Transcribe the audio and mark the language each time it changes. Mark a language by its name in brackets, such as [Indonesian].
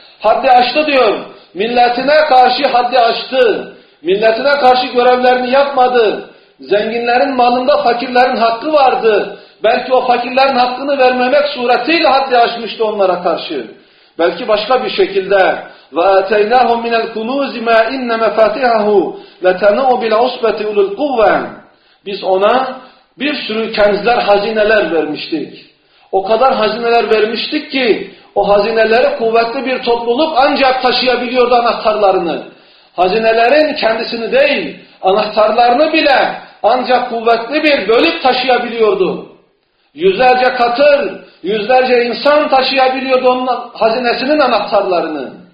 [Turkish] Haddi aştı diyor. Milletine karşı haddi aştı. Milletine karşı görevlerini yapmadı. Zenginlerin malında fakirlerin hakkı vardı. Belki o fakirlerin hakkını vermemek suretiyle haddi aşmıştı onlara karşı. Belki başka bir şekilde. [Arabic] وَاَتَيْنَاهُمْ مِنَ الْكُنُوزِ مَا اِنَّ مَفَاتِحَهُ لَتَنَعُوا بِالْعُصْبَةِ اُلُوا الْقُوَّنِ [Turkish] Biz ona bir sürü kenzler, hazineler vermiştik. O kadar hazineler vermiştik ki o hazineleri kuvvetli bir topluluk ancak taşıyabiliyordu anahtarlarını. Hazinelerin kendisini değil, anahtarlarını bile ancak kuvvetli bir bölük taşıyabiliyordu. Yüzlerce katır, yüzlerce insan taşıyabiliyordu onun hazinesinin anahtarlarını.